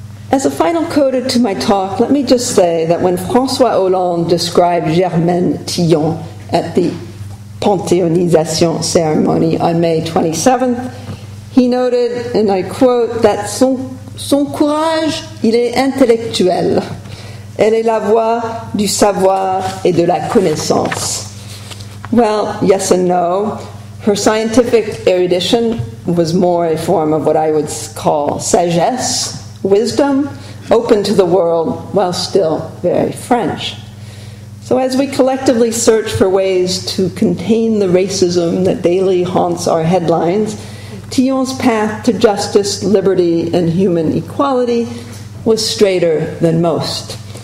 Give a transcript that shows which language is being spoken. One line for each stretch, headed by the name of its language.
English: As a final coda to my talk, let me just say that when François Hollande described Germaine Tillon at the Panthéonisation ceremony on May 27th, he noted, and I quote, that
French: son courage, il est intellectuel. Elle est la voix du savoir et de la connaissance.
English: Well, yes and no. Her scientific erudition was more a form of what I would call sagesse, wisdom, open to the world while still very French. So as we collectively search for ways to contain the racism that daily haunts our headlines, Tillon's path to justice, liberty, and human equality was straighter than most.